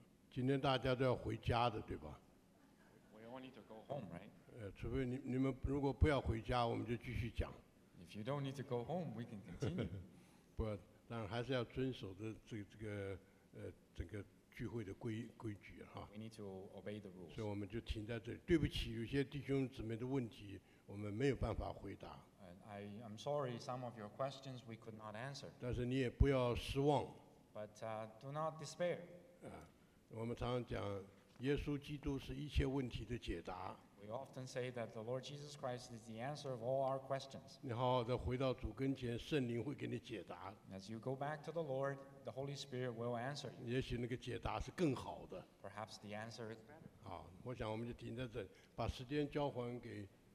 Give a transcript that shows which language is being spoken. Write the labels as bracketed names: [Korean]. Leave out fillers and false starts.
[Chinese] 今天大家都要回家的，对吧 [English] ？We all need to go home, right? [Chinese] 除非你们如果不要回家，我们就继续讲。 [English] If you don't need to go home, we can continue. [Chinese] 不，但还是要遵守的这个整个聚会的规矩哈。 [English] We need to obey the rules. [Chinese] 所以我们就停在这里。对不起，有些弟兄姊妹的问题，我们没有办法回答。 [English] I'm sorry, some of your questions we could not answer. [Chinese] 但是你也不要失望。 [English] But do not despair. [Chinese] 我们常常讲，耶稣基督是一切问题的解答。 [English] We often say that the Lord Jesus Christ is the answer of all our questions. [Chinese] 你好好地回到主跟前，圣灵会给你解答。 [English] As you go back to the Lord, the Holy Spirit will answer you. [Chinese] 也许那个解答是更好的。 [English] Perhaps the answer is better. [Chinese] 好，我想我们就停在这，把时间交还给。